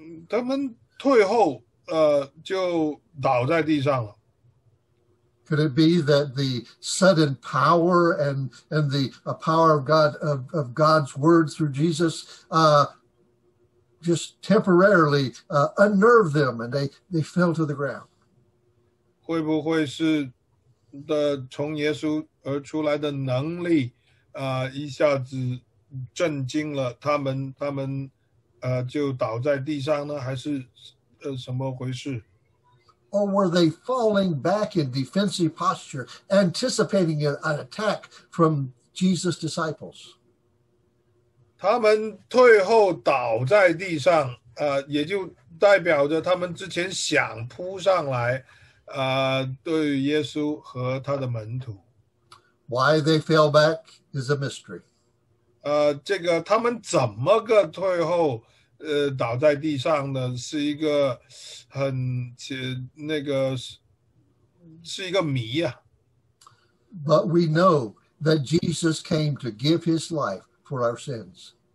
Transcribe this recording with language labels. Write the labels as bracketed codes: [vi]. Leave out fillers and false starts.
[zh] 他们退后，就倒在地上了。 [en] Could it be that the sudden power and the power of God of God's word through Jesus, just temporarily unnerved them, and they fell to the ground. [zh] 会不会是的从耶稣而出来的能力，一下子震惊了他们，他们就倒在地上呢？还是什么回事 [en] ？Or were they falling back in defensive posture, anticipating an attack from Jesus' disciples? [zh] 他们退后倒在地上，也就代表着他们之前想扑上来，对耶稣和他的门徒。 [en] Why they fell back is a mystery. [zh] 这个他们怎么个退后，倒在地上呢？是一个很那个是一个谜啊。 [en] But we know that Jesus came to give his life for our sins.